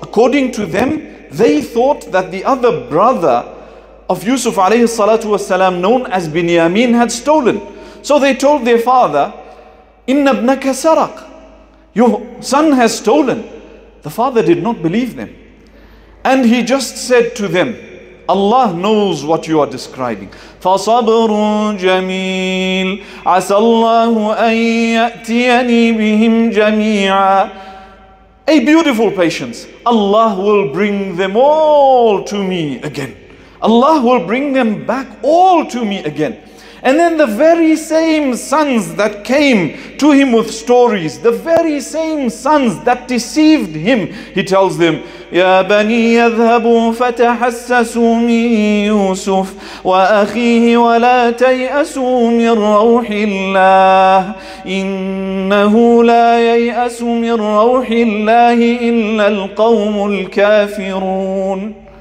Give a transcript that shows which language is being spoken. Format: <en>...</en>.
<en>According to them, they thought that the other brother of Yusuf alayhi salatu wasalam, known as Binyamin, had stolen. So they told their father, Inna ibnaka saraq, your son has stolen. The father did not believe them. And he just said to them, Allah knows what you are describing.</en> <ar>فَصَبْرٌ جَمِيلٌ عَسَى اللَّهُ أَن يَأْتِيَنِي بِهِمْ جَمِيعًا.</ar> <en>A beautiful patience. Allah will bring them all to me again. Allah will bring them back all to me again. And then the very same sons that came to him with stories, the very same sons that deceived him, he tells them, Ya bani yadhhabu fatahassasu min Yusuf wa akhihi wa la tayasu min rawhillah innahu la yayasu min rawhillah illa alqawmul kafirun.</en>